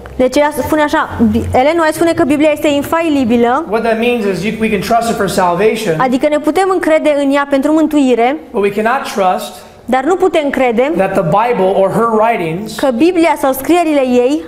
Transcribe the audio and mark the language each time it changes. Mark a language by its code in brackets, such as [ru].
[ro] Deci ea spune așa, Ellen White spune că Biblia este infailibilă. [en] What that means is we can trust it for salvation. [ro] Adică ne putem încrede în ea pentru mântuire. [en] But we cannot trust. [ro] Dar nu putem crede [en] that the Bible or her writings [ro] că Biblia sau scrierile ei